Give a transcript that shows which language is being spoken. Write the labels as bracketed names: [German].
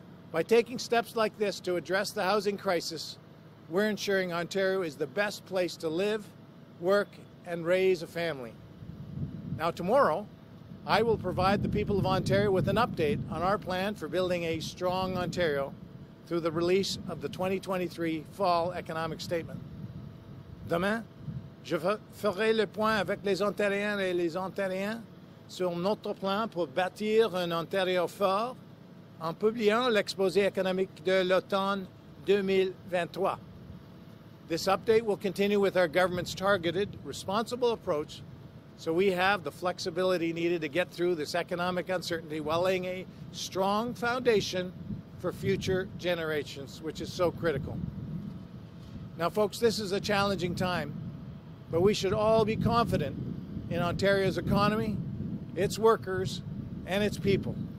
[English] By taking steps like this to address the housing crisis, we're ensuring Ontario is the best place to live, work, and raise a family. Now, tomorrow, I will provide the people of Ontario with an update on our plan for building a strong Ontario through the release of the 2023 Fall Economic Statement. [French] Demain, je ferai le point avec les Ontariennes et les Ontariens sur notre plan pour bâtir un Ontario fort en publiant l'exposé économique de l'automne 2023. [English] This update will continue with our government's targeted, responsible approach so we have the flexibility needed to get through this economic uncertainty while laying a strong foundation for future generations, which is so critical. Now, folks, this is a challenging time, but we should all be confident in Ontario's economy, its workers, and its people.